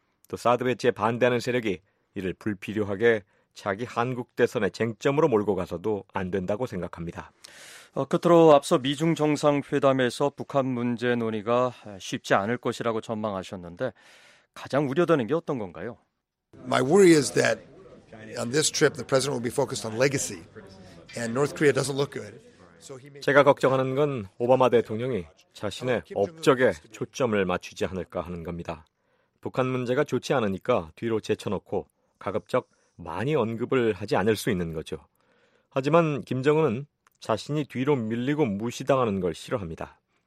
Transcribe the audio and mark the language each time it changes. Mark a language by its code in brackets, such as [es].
[ko] 또 사드 배치에 반대하는 세력이 이를 불필요하게 자기 한국 대선의 쟁점으로 몰고 가서도 안 된다고 생각합니다. 끝으로 앞서 미중 정상회담에서 북한 문제 논의가 쉽지 않을 것이라고 전망하셨는데 가장 우려되는 게 어떤 건가요? [en] My worry is that on this trip the president will be focused on legacy and North Korea doesn't look good. [ko] 제가 걱정하는 건 오바마 대통령이 자신의 업적에 초점을 맞추지 않을까 하는 겁니다. 북한 문제가 좋지 않으니까 뒤로 제쳐놓고 가급적 많이 언급을 하지 않을 수 있는 거죠. 하지만 김정은은 자신이 뒤로 밀리고 무시당하는 걸 싫어합니다.